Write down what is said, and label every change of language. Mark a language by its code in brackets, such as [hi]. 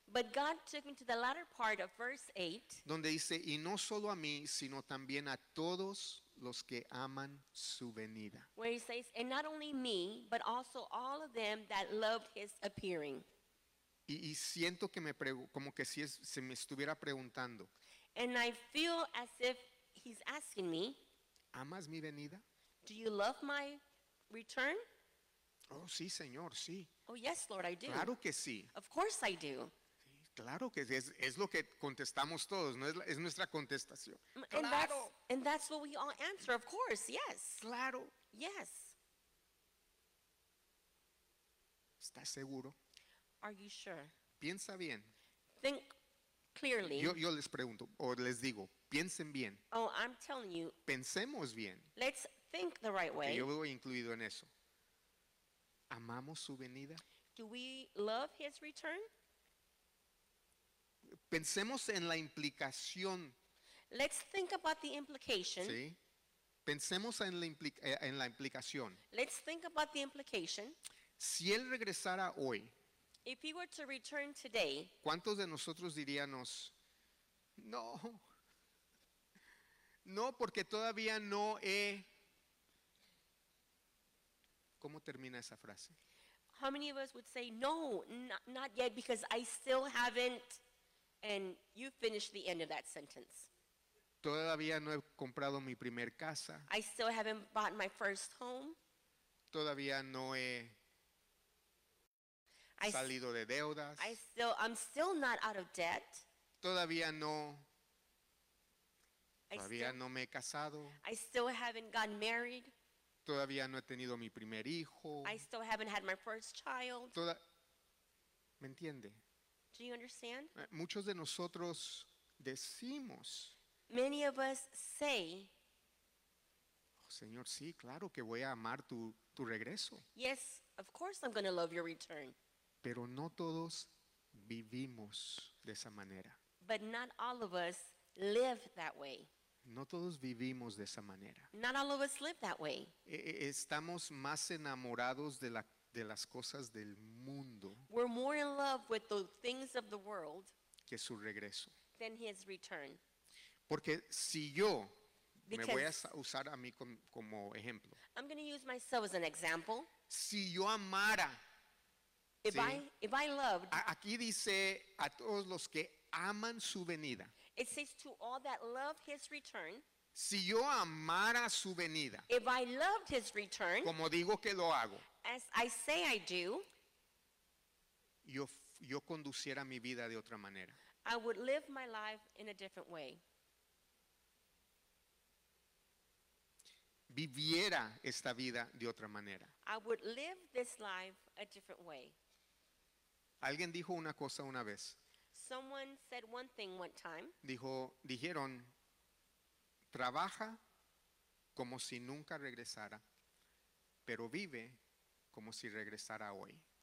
[en] But God took me to the latter part of verse 8. [es] Donde dice, y no solo a mí, sino también a todos los que aman su venida. [en] Where he says, and not only me, but also all of them that loved his appearing. [es] Y siento que se me estuviera preguntando. [en] And I feel as if he's asking me, [es] ¿amas mi venida? [en] Do you love my return? [es] Oh, sí, Señor, sí. [en] Oh, yes, Lord, I do. [es] Claro que sí. [en] Of course I do. [es] Sí, claro que sí. Es lo que contestamos todos, ¿no? Es nuestra contestación. [en] And [es] claro. [en] That's what we all answer, of course, yes. [es] Claro. [en] Yes. [es] ¿Estás seguro? [en] Are you sure? [es] Piensa bien. [en] Think clearly. [es] Yo les pregunto, o les digo, piensen bien. [en] Oh, I'm telling you. [es] Pensemos bien. [en] Let's think the right way. [es] Yo voy incluido en eso. ¿Amamos su venida? [en] Do we love his return? [es] Pensemos en la implicación. [en] Let's think about the implication. [es] Sí. Pensemos en la implicación. [en] Let's think about the implication. [es] Si él regresara hoy, [en] if he were to return today, [es] ¿cuántos de nosotros diríamos, no? No, porque todavía no he... ¿Cómo termina esa frase? [en] How many of us would say, no, not yet, because I still haven't... And you finish the end of that sentence. [es] Todavía no he comprado mi primer casa. [en] I still haven't bought my first home. [es] Todavía no he... salido de deudas. [en] I'm still not out of debt. [es] Todavía no me he casado. [en] I still haven't gotten married. [es] Todavía no he tenido mi primer hijo. [en] I still haven't had my first child. [es] ¿Me entiende? [en] Do you understand? [es] Muchos de nosotros decimos, [en] many of us say, [es] oh, Señor, sí, claro que voy a amar tu regreso. [en] Yes, of course I'm going to love your return. [es] Pero no todos vivimos de esa manera. [en] But not all of us live that way. [es] No todos vivimos de esa manera. [en] Not all of us live that way. [es] Estamos más enamorados de las cosas del mundo. [en] We're more in love with the things of the world. [es] Que su regreso. [en] Than his return. [es] Porque si yo, because me voy a usar a mí como ejemplo. [en] I'm going to use myself as an example. [es] Si yo amara. [en] If I loved, [es] aquí dice a todos los que aman su venida. [en] It says to all that love his return. [es] Si yo amara su venida. [en] If I loved his return. [es] Como digo que lo hago. [en] As I say I do. [es] Yo conduciera mi vida de otra manera. [en] I would live my life in a different way. [es] Viviera esta vida de otra manera. [en] I would live this life a different way. [es] Alguien dijo una cosa una vez. [en] Someone said one thing one time. [es] Dijeron, trabaja como si nunca regresara, pero vive como si regresara hoy.